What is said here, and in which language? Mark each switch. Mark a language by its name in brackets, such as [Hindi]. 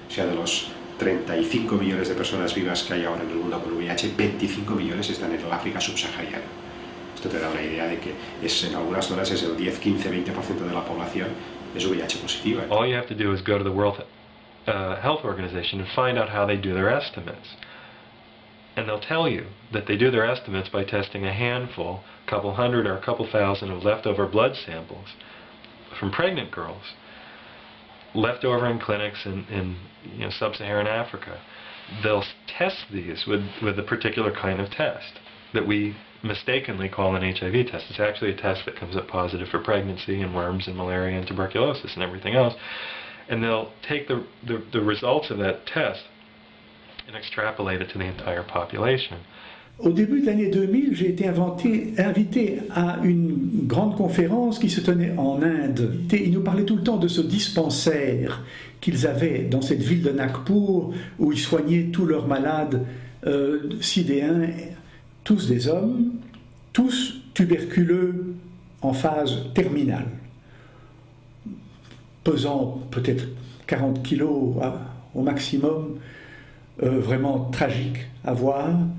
[Spanish] Si de los 35 millones de personas vivas que hay ahora en el mundo con VIH, 25 millones están en el África subsahariana. Esto te da una idea de que es, en algunas zonas es el 10, 15, 20% de la población es VIH positiva. [English] All you have to do is go to the World Health Organization and find out how they do their estimates. And they'll tell you that they do their estimates by testing a handful, a couple hundred or a couple thousand of leftover blood samples from pregnant girls left over in clinics in you know, sub-Saharan Africa. They'll test these with a particular kind of test that we mistakenly call an HIV test. It's actually a test that comes up positive for pregnancy and worms and malaria and tuberculosis and everything else. And they'll take the results of that test and extrapolate it to the entire population. [French] Au début de l'année 2000, j'ai été invité à une grande conférence qui se tenait en Inde. Ils nous parlaient tout le temps de ce dispensaire qu'ils avaient dans cette ville de Nagpur, où ils soignaient tous leurs malades sidéens, tous des hommes, tous tuberculeux en phase terminale, pesant peut-être 40 kilos hein, au maximum, vraiment tragique à voir.